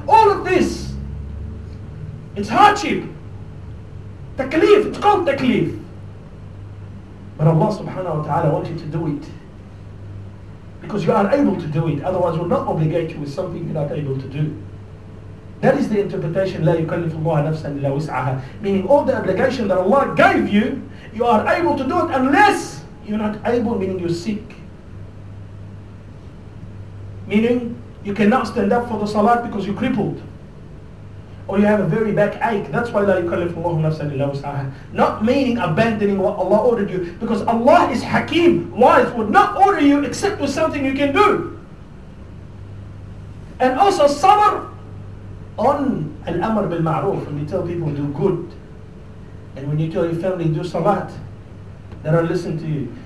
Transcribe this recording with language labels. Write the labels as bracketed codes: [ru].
[en] All of this. It's hardship. Takleef. It's called takleef. But Allah subhanahu wa ta'ala wants you to do it. Because you are able to do it, otherwise we'll not obligate you with something you're not able to do. That is the interpretation, [ar] لا يكلف الله نفسا إلا وسعها. [en] Meaning all the obligation that Allah gave you, you are able to do it unless you're not able, meaning you're sick. Meaning you cannot stand up for the salat because you're crippled. Or you have a very back ache. That's why [ar] لا يكلف الله نفسا إلا وسعها. [en] Not meaning abandoning what Allah ordered you. Because Allah is Hakim. Wise, would not order you except with something you can do. And also sabr on al-amr bil ma'ruf. When you tell people do good, and when you tell your family do salat, they don't listen to you.